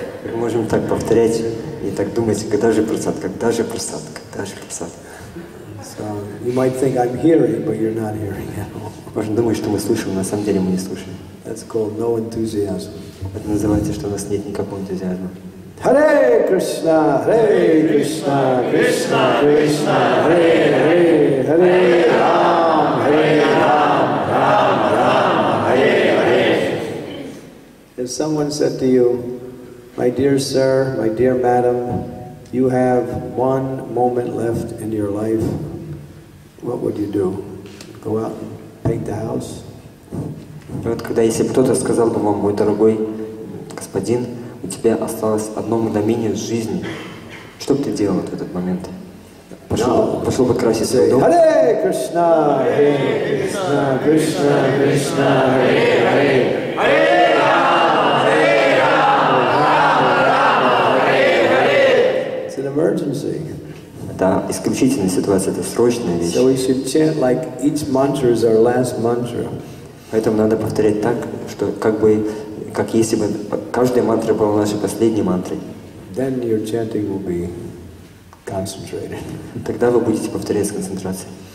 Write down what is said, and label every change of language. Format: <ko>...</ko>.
<ru>Мы можем так повторять и так думать, когда же просад.</ru> <en>So you might think I'm hearing, but you're not hearing at all.</en> <ru>Можно думать, что мы слышим, на самом деле мы не слышим.</ru> <en>That's called no enthusiasm.</en> <ru>Это называется, что у нас нет никакого энтузиазма.</ru> <sa>Hare Krishna, Hare Krishna, Krishna Krishna, Hare Hare, Hare Ram, Hare Ram, Ram Ram, Hare Hare.</sa> <en>If someone said to you, my dear sir, my dear madam, you have one moment left in your life, what would you do? Go out and paint the house?</en> <ru>Вот когда если кто-то сказал бы вам, мой дорогой господин, у тебя осталось одно мгновение в жизни. Что бы ты делал в этот момент? Пошел бы красить свой дом?</ru> <sa>Hare Krishna! Hare Krishna! Krishna Krishna! Hare Hare! Hare Rama! Hare Rama! Rama Rama! Hare Hare!</sa> <en>It's an emergency.</en> <ru>Это исключительная ситуация, это срочная вещь.</ru> <en>So we should chant like each mantra is our last mantra.</en> <ru>Поэтому надо повторять так, что как бы как если бы каждая мантра была нашей последней мантрой.</ru> <en>Then your chanting will be concentrated.</en> <ru>Тогда вы будете повторять с концентрацией.</ru>